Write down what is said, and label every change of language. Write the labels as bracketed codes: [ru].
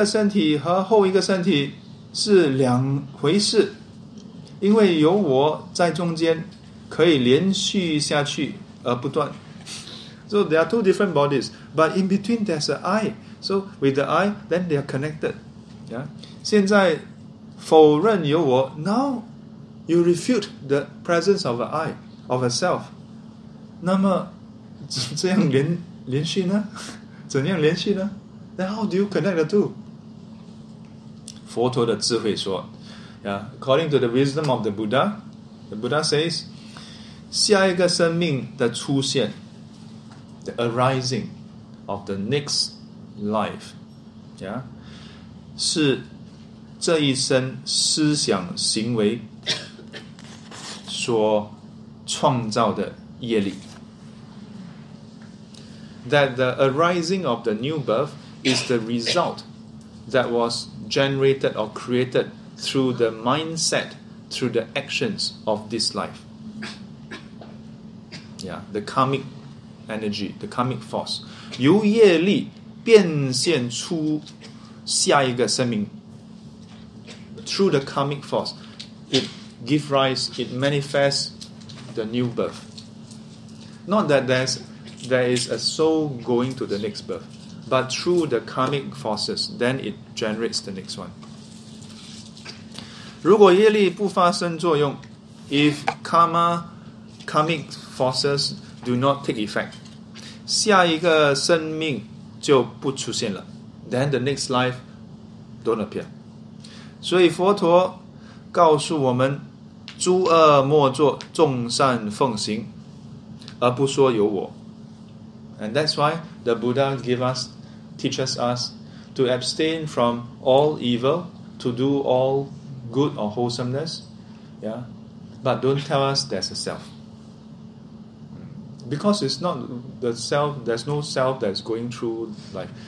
[zh] 前一个身体和后一个身体, 是两回事, 因为有我在中间, 可以连续下去, 而不断。 [en] So there are two different bodies, but in between there's an I. So with the I, then they are connected. Yeah? [zh] 现在否认有我, [en] now you refute the presence of an I, of a self. [zh] 那么,这样连续呢?怎样连续呢? [en] Then how do you connect the two? [zh] 佛陀的智慧说, [en] yeah, according to the wisdom of the Buddha says, [zh] 下一个生命的出现, [en] the arising of the next life, yeah, [zh] 是这一生思想行为所创造的业力. [en] That the arising of the new birth is the result that was generated or created through the mindset, through the actions of this life. Yeah, the karmic energy, the karmic force. [zh] 由业力变现出下一个生命. [en] Through the karmic force, it gives rise, it manifests the new birth. Not that there is a soul going to the next birth, but through the karmic forces, then it generates the next one. [zh] 如果业力不发生作用, [en] if karmic forces do not take effect, [zh] 下一个生命就不出现了, [en] then the next life don't appear. [zh] 所以佛陀告诉我们, 诸恶莫作众善奉行, 而不说有我. [en] And that's why the Buddha teaches us to abstain from all evil, to do all good or wholesomeness, yeah, but don't tell us there's a self. Because it's not the self, there's no self that's going through life.